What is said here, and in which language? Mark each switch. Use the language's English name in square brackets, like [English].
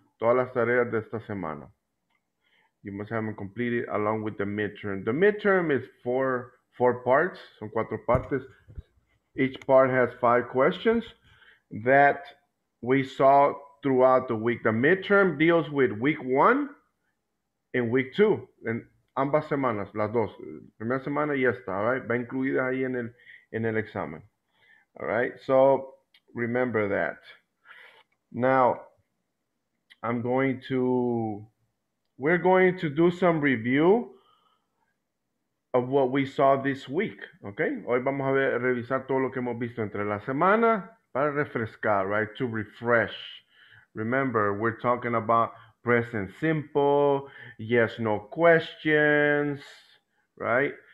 [Spanish] Todas las tareas de esta semana. [English] You must have them completed along with the midterm. The midterm is four parts, [Spanish] son cuatro partes. [English] Each part has five questions that we saw throughout the week. The midterm deals with week one and week two. [Spanish] En ambas semanas, las dos. Primera semana y esta, all right? Va incluida ahí en el examen. [English] All right? So, remember that. Now, we're going to do some review of what we saw this week, okay? [Spanish] Hoy vamos a revisar todo lo que hemos visto entre la semana para refrescar, right? [English] To refresh. Remember, we're talking about present simple, yes, no questions, right?